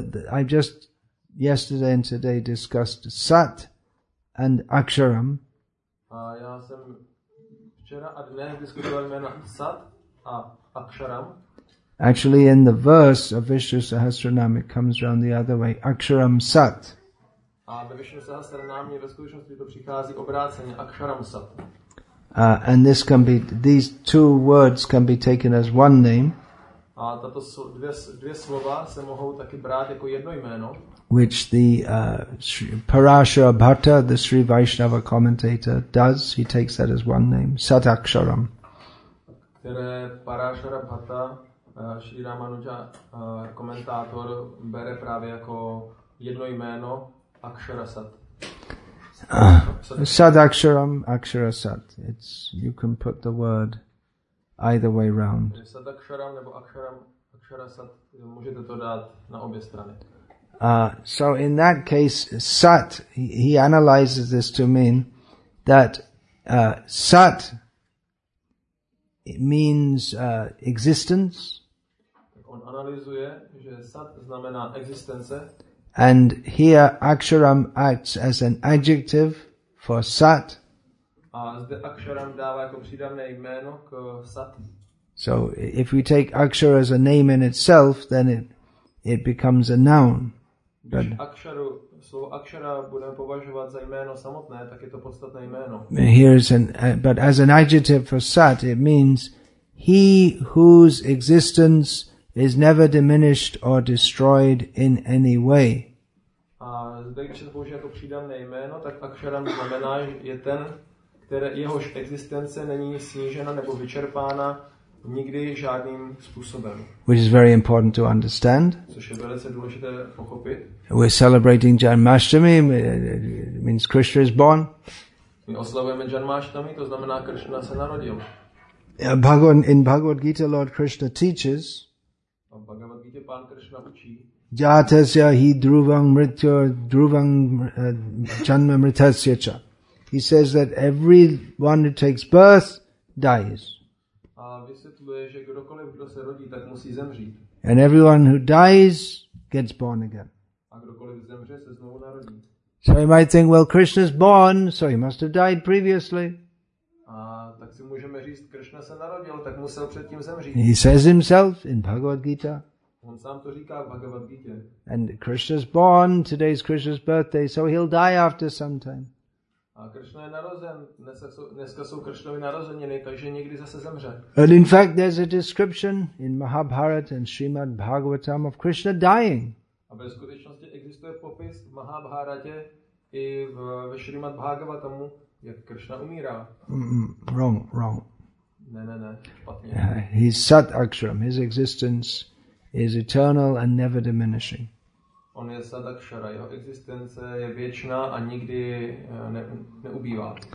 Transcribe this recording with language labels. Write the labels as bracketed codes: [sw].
[en] I've just yesterday and today discussed Sat and Aksharam. [cs] Já jsem včera a dnes diskutoval jména Sat a Aksharam. [en] Actually, in the verse of Vishnu Sahasranam, it comes round the other way, Aksharam Sat. [cs] A ve Vishnu Sahasranamě ve skutečnosti to přichází obráceně, Aksharam Sat. [en] And this can be, these two words can be taken as one name. [cs] A tato dvě slova se mohou taky brát jako jedno jméno. [en] Which the Parashara Bhatta, the Sri Vaishnava commentator, does. He takes that as one name, Sataksharam. [cs] Které Parashara Bhatta, Sri Ramanuja komentátor, bere právě jako jedno jméno, Aksharasat. [en] Sataksharam, Aksharasat. It's, you can put the word either way round. [cs] Sadaksharam nebo aksharam, aksharasat, můžete to dát na obě strany. [en] So in that case, sat, he analyzes this to mean that sat means existence. [cs] On analyzuje, že sat znamená existence. [en] And here aksharam acts as an adjective for sat. [cs] A zde aksharam dává jako přídavné jméno k sat. [en] So if we take akshara as a name in itself, then it becomes a noun. [cs] But slovo akshara budeme považovat za jméno samotné, tak je to podstatné jméno. [en] But as an adjective for sat, it means he whose existence is never diminished or destroyed in any way. [cs] A zde když se použije jako přídavné jméno, tak aksharam znamená, je ten, jehož existence není snížena nebo vyčerpána nikdy žádným způsobem. [en] Which is very important to understand. [cs] Což je velice důležité pochopit. [en] We're celebrating Janmashtami, it means Krishna is born. [cs] My oslavujeme Janmashtami, to znamená Krishna se narodil. [en] In Bhagavad Gita, Lord Krishna teaches. [cs] A v Bhagavad Gita pán Krishna učí. [sa] Jatasya hi dhruvang mrityo dhruvang janma mrityasya cha. [en] He says that everyone who takes birth dies. [cs] A vysvětluje, že kdokoliv, kdo se rodí, tak musí zemřít. [en] And everyone who dies gets born again. [cs] A kdokoliv zemře, se znovu narodí. [en] So you might think, well, Krishna's born, so he must have died previously. [cs] A tak si můžeme říct, Krishna se narodil, tak musel předtím zemřít. [en] He says himself in Bhagavad Gita. [cs] On sám to říká v Bhagavad Gita. [en] And Krishna's born, today's Krishna's birthday, so he'll die after some time. [cs] A Krishna je narozen, dneska jsou Krishnovi narozeniny, takže někdy zase zemře. [en] And in fact, there's a description in Mahabharata and Srimad Bhagavatam of Krishna dying. [cs] A ve skutečnosti existuje popis v Mahabharatě i ve Srimad Bhagavatamu, jak Krishna umírá. [en] Wrong. [cs] Ne, špatně. [en] He's Sat Aksharam. His existence is eternal and never diminishing. [cs] On je sadakshara, jeho existence je věčná a nikdy neubývá.